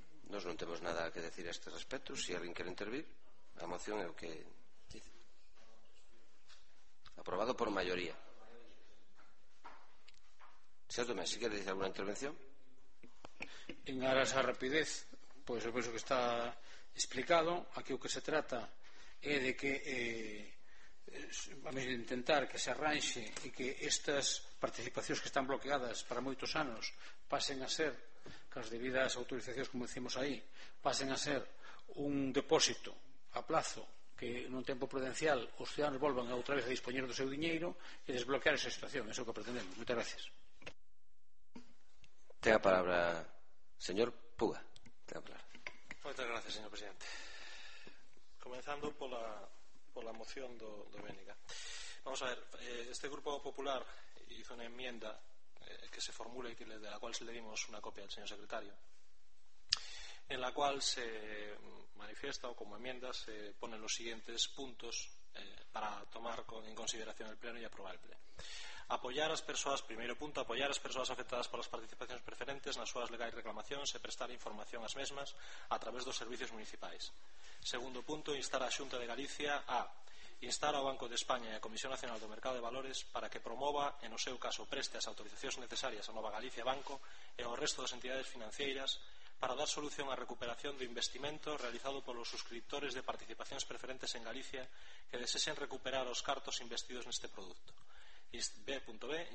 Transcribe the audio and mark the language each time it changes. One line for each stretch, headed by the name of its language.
Galician: Nos non temos nada que decir a este respecto. Si alguén quere intervir, a moción é o que dice. Aprobado por maioría. Señor Tomé, si quere dicir alguna intervención. En aras a rapidez, pois pues, eu penso que está explicado. Aquí o que se trata é de que vamos intentar que se arranxe e que estas participacións que están bloqueadas para moitos anos pasen a ser, que as debidas autorizacións, como decimos aí, pasen a ser un depósito a plazo, que nun tempo prudencial os ciudadanos volvan outra vez a dispoñer do seu diñeiro e desbloquear esa situación. Eso é o que pretendemos. Moitas gracias. Ten a palabra señor Puga. Está claro. Moitas gracias, señor presidente. Comenzando pola moción do Bénega.
Spanish: Vamos a ver, este Grupo Popular hizo una enmienda que se formula y de la cual se le dimos una copia al señor secretario, en la cual se manifiesta, o como enmienda, se ponen los siguientes puntos para tomar en consideración el pleno y aprobar el pleno.
Galician: Apoyar as persoas, primeiro punto, apoyar as persoas afectadas polas participacións preferentes nas súas legais reclamacións e prestar información ás mesmas a través dos servicios municipais. Segundo punto, instar a Xunta de Galicia a instar ao Banco de España e a Comisión Nacional do Mercado de Valores para que promova, en o seu caso preste as autorizacións necesarias a Nova Galicia Banco e ao resto das entidades financieras para dar solución á recuperación do investimento realizado polos suscriptores de participacións preferentes en Galicia que desexen recuperar os cartos investidos neste producto. B.B.